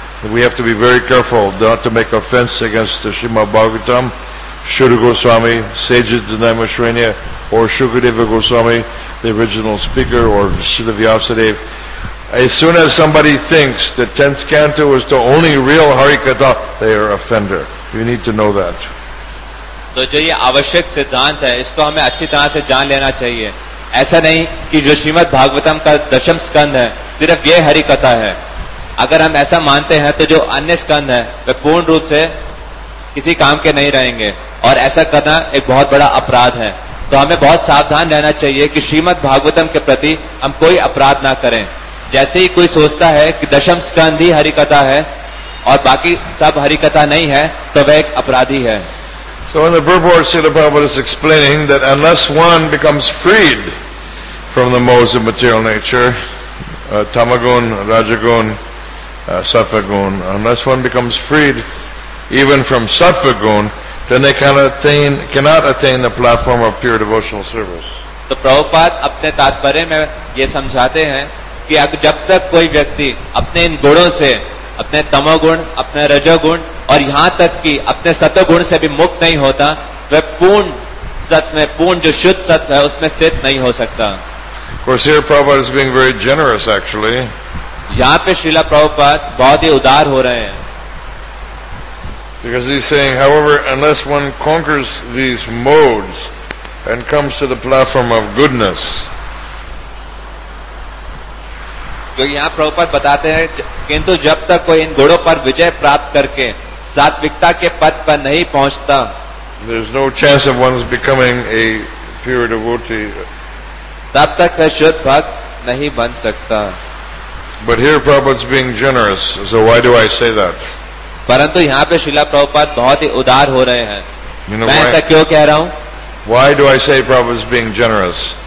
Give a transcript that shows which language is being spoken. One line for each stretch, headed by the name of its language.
English: We have to be very careful not to make offense against the Srimad Bhagavatam, Śrīla Goswami, Sages Dandayama Śrēṇīya, or Śukadeva Goswami, the original speaker, or Śrīla Vyāsadeva. As soon as somebody thinks the 10th canto is the only real Harikatha, they are offender. You need to know that.
Hindi: तो जो ये आवश्यक सिद्धांत है इसको हमें अच्छी तरह से जान लेना चाहिए. ऐसा नहीं कि जो श्रीमद् भागवतम का दशम स्कंद है सिर्फ ये हरि कथा है. अगर हम ऐसा मानते हैं तो जो अन्य स्कंद है वे पूर्ण रूप से किसी काम के नहीं रहेंगे और ऐसा करना एक बहुत बड़ा अपराध है. तो हमें बहुत सावधान रहना चाहिए कि श्रीमद् भागवतम के प्रति हम कोई अपराध ना करें. जैसे ही कोई सोचता है कि दशम स्कंद ही हरि कथा है और बाकी सब हरिकथा नहीं है तो वह एक अपराधी है.
English: So in the Burbhor Srila Prabhupada is explaining that unless one becomes freed from the modes of material nature, tamagun, rajagun, sattvagun, unless one becomes freed even from sattvagun, then they cannot attain the platform of pure devotional service.
Hindi: तो प्रभुपाद अपने तात्पर्य में ये समझाते हैं कि जब तक कोई व्यक्ति अपने इन गुणों से, अपने तमोगुण, अपने रजोगुण और यहाँ तक कि अपने सतोगुण से भी मुक्त नहीं होता, वह पूर्ण सत में, पूर्ण जो शुद्ध सत है उसमें स्थित नहीं हो सकता.
English: Of course, here Prabhupada is being very generous actually.
Hindi: यहाँ पे श्रीला प्रभुपाद बहुत ही उदार हो रहे हैं.
English: Because he's saying, however, unless one conquers these modes and comes to the platform of goodness.
Hindi: तो यहाँ प्रभुपाद बताते हैं किंतु जब तक कोई इन गुणों पर विजय प्राप्त करके सात्विकता के पद पर नहीं पहुंचता,
English: there's no chance of one's becoming a pure devotee.
Hindi: तब तक वह शुद्ध भक्त नहीं बन सकता.
English: But here Prabhupada's being generous, so why do I say that?
Hindi: परंतु यहाँ पे श्रील प्रभुपाद बहुत ही उदार हो रहे हैं.
English: You know,
Hindi: मैं ऐसा क्यों कह रहा हूँ?
English: Why do I say Prabhupada's being generous?